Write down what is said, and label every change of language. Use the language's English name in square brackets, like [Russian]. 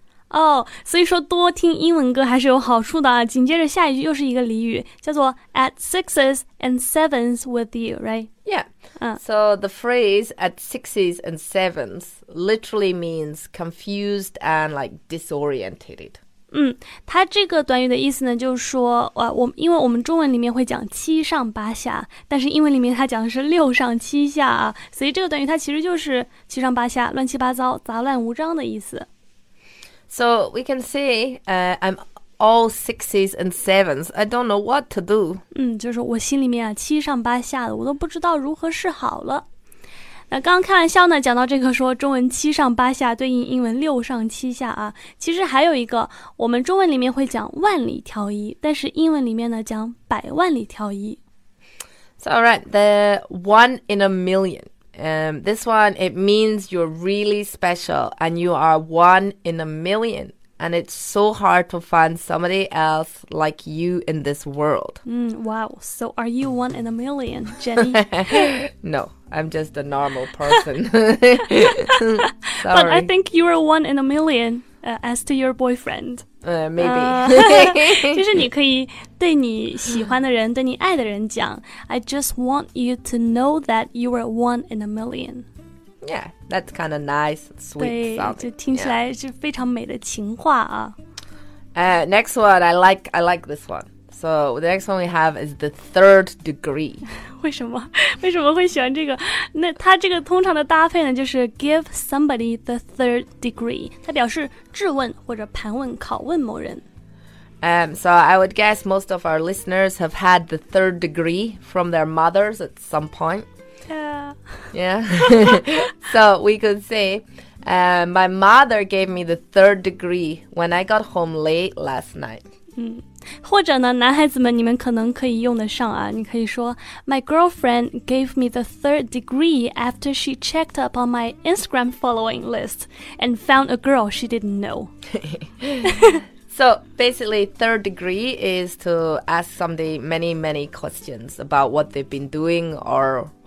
[Chinese] Oh, 所以说多听英文歌还是有好处的啊。紧接着下一句又是一个俚语，叫做 [English] at sixes and sevens with you, right? Yeah. So the phrase at sixes and sevens literally means confused and like disoriented. [Chinese] 嗯，它这个短语的意思呢，就是说，因为我们中文里面会讲七上八下，但是英文里面它讲的是六上七下啊，所以这个短语它其实就是七上八下、乱七八糟、杂乱无章的意思。 [English] So we can say, I'm all sixes and sevens. I don't know what to do. [Chinese] 嗯，就是我心里面啊七上八下的，我都不知道如何是好了。那刚刚开玩笑呢，讲到这个说中文七上八下对应英文六上七下啊，其实还有一个，我们中文里面会讲万里挑一，但是英文里面呢讲百万里挑一。 [English] So alright, the one in a million. This one, it means you're really special and you are one in a million. And it's so hard to find somebody else like you in this world. Wow, so are you one in a million, Jenny? No. I'm just a normal person. But I think you are one in a million, as to your boyfriend. Maybe. [Chinese] 就是你可以对你喜欢的人，对你爱的人讲 [English] I just want you to know that you are one in a million. Yeah, that's kind of nice, sweet sounding. [Chinese] 对，就听起来是非常美的情话啊。 [English] Next one, I like this one. So the next one we have is the third degree. [Chinese] 为什么会喜欢这个？那它这个通常的搭配呢，就是 [English] give somebody the third degree. [Chinese] 它表示质问或者盘问、拷问某人。 [English] So I would guess most of our listeners have had the third degree from their mothers at some point. Yeah. So we could say, my mother gave me the third degree when I got home late last night. 嗯。 [Chinese] 或者呢，男孩子们，你们可能可以用得上啊。你可以说 [English] ，My girlfriend gave me the third degree after she checked up on my Instagram following list and found a girl she didn't know. So basically, third degree is to ask somebody many, many questions about what they've been doing or.